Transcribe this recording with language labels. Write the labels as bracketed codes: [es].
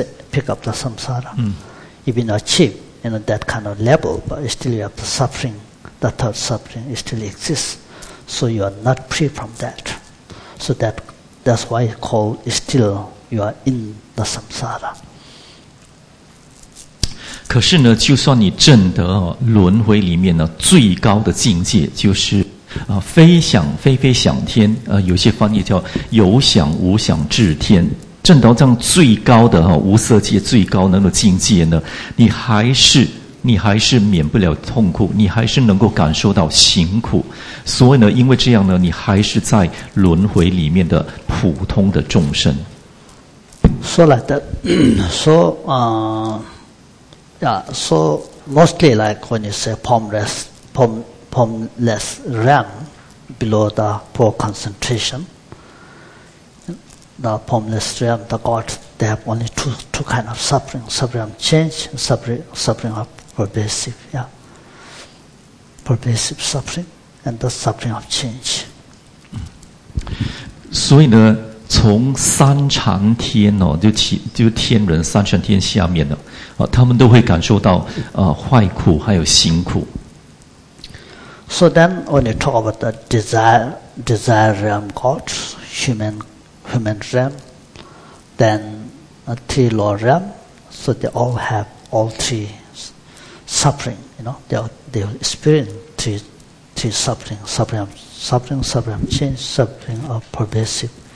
[en] Pick up the samsara. Even achieve, you know, that kind of level, but still you have the suffering. The third suffering still exists. So you are not free from that. So that's why it's called still you are in the samsara. [zh] 可是呢, 就算你证得轮回里面呢最高的境界就是非想非非想天, 有些翻译叫有想无想至天, 证到这样最高的无色界最高的境界呢, 你还是免不了痛苦, 你还是能够感受到行苦, 所以呢, 因为这样呢, 你还是在轮回里面的普通的众生。 [en] So like that, so mostly like when you say formless realm below the poor concentration, the formless realm, the gods, they have only two kind of suffering, suffering of change, suffering of pervasive, pervasive suffering, and the suffering of change. [zh] 所以呢, 从三禅天哦，就天人三禅天下面的，他们都会感受到坏苦还有辛苦。 [en] So then, when you talk about the desire realm gods, human realm, then a three lower realm, so they all have all three suffering. You know, they experience three suffering, suffering of change, suffering of pervasive.